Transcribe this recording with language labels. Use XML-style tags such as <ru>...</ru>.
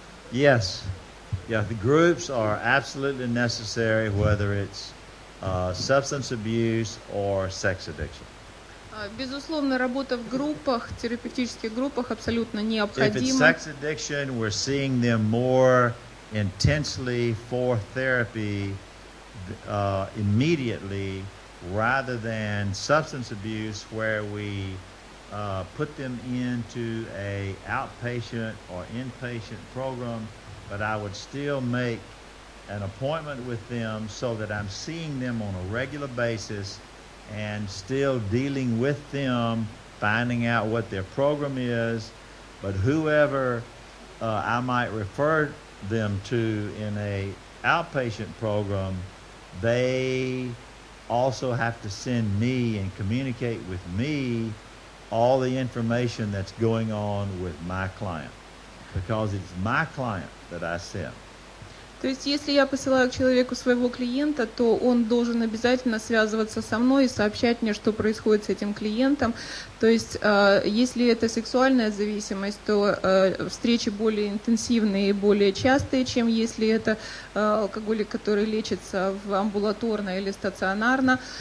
<en>Yes, yeah, the groups are absolutely necessary, whether it's substance abuse or sex addiction.</en> <ru>Безусловно, работа в группах, терапевтических группах абсолютно необходима.</ru> <en>If it's sex addiction, we're seeing them more intensely for therapy immediately rather than substance abuse where we put them into a outpatient or inpatient program, but I would still make an appointment with them so that I'm seeing them on a regular basis and still dealing with them, finding out what their program is. But whoever I might refer them to in a outpatient program, they also have to send me and communicate with me all the information that's going on with my client, because it's my client that I sent.</en> <ru>То есть, если я посылаю к человеку своего клиента, то он должен обязательно связываться со мной и сообщать мне, что происходит с этим клиентом. То есть, если это сексуальная зависимость, то встречи более интенсивные и более частые, чем если это алкоголик, который лечится в амбулаторно или стационарно.</ru>